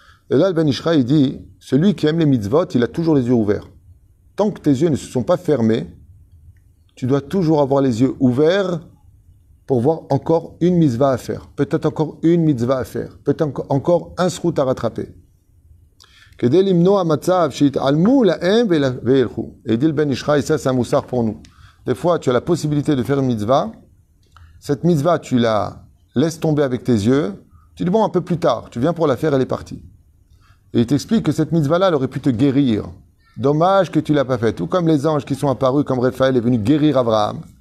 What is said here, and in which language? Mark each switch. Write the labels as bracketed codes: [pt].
[fr] Et là, le Ben Ishraï, il dit, celui qui aime les mitzvot, il a toujours les yeux ouverts. Tant que tes yeux ne se sont pas fermés, tu dois toujours avoir les yeux ouverts pour voir encore une mitzvah à faire. Peut-être encore une mitzvah à faire. Peut-être encore un srout à rattraper. [he] כדי למנוע מצב שיתעלמו להם וילכו. [fr] Et dit le Ben Ishraï, ça c'est un moussard pour nous. Des fois, tu as la possibilité de faire une mitzvah. Cette mitzvah, tu la laisses tomber avec tes yeux. Tu dis bon, un peu plus tard, tu viens pour la faire, elle est partie. Et il t'explique que cette mitzvah-là, elle aurait pu te guérir. Dommage que tu ne l'as pas faite. Tout comme les anges qui sont apparus, comme Raphaël est venu guérir Abraham.